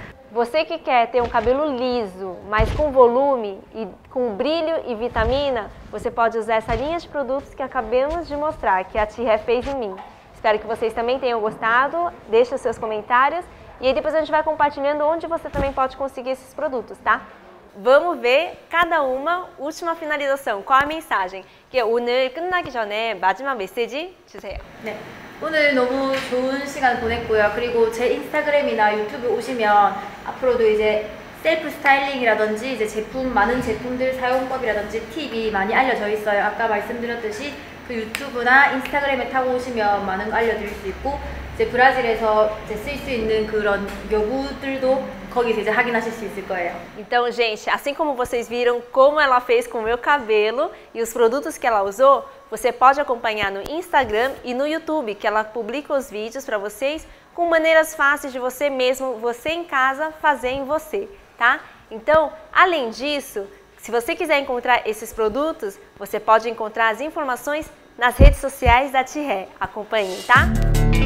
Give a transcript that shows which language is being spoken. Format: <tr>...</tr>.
<pt>Você que quer ter um cabelo liso, mas com volume, e com brilho e vitamina, você pode usar essa linha de produtos que acabamos de mostrar, que a Tia fez em mim. Espero que vocês também tenham gostado. Deixe os seus comentários E aí depois a gente vai compartilhando onde você também pode conseguir esses produtos, tá? Vamos ver cada uma, última finalização. Qual a mensagem?</pt> <ko>Que 오늘 끝나기 전에 마지막 메시지 주세요. 네. 오늘 너무 좋은 시간 보냈고요. 그리고 제 인스타그램이나 유튜브 오시면 앞으로도 이제 셀프 스타일링이라든지 이제 제품 많은 제품들 사용법이라든지 팁이 많이 알려져 있어요. 아까 말씀드렸듯이 그 유튜브나 인스타그램에 타고 오시면 많은 거 알려드릴 수 있고 이제 브라질에서 이제 쓸 수 있는 그런 요구들도 거기서 이제 확인하실 수 있을 거예요.</ko> <pt>Então, gente, assim como vocês viram como ela fez com o meu cabelo e os produtos que ela usou, você pode acompanhar no Instagram e no YouTube, que ela publica os vídeos para vocês com maneiras fáceis de você mesmo, você em casa, fazer em você, tá? Então, além disso, se você quiser encontrar esses produtos, você pode encontrar as informações nas redes sociais da Tihé. Acompanhe, tá?</pt>